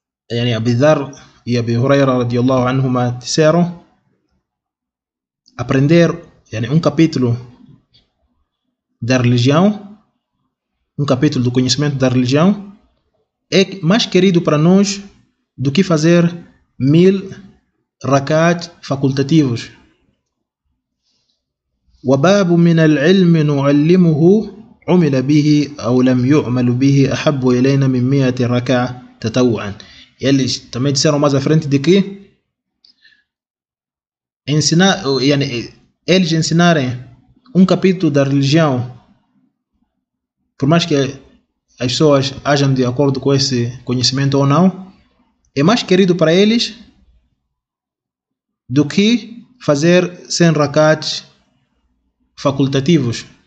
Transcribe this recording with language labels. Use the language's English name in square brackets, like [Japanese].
[Arabic] يعني أبي ذر يا أبي هريرة رضي الله عنهما تسيرو [Portuguese] aprender يعني un capítulo da religião, um capítulo do conhecimento da religião, é mais querido para nós do que fazer 1000 rakat facultativos. [Arabic] وباب من العلم نعلمه عمل به أو لم يعمل به أحب إلينا من 100 ركعة تطوعا. [Portuguese] Eles também disseram mais à frente de que ensinar, yani, eles ensinarem um capítulo da religião, por mais que as pessoas ajam de acordo com esse conhecimento ou não, é mais querido para eles do que fazer 100 rakats facultativos.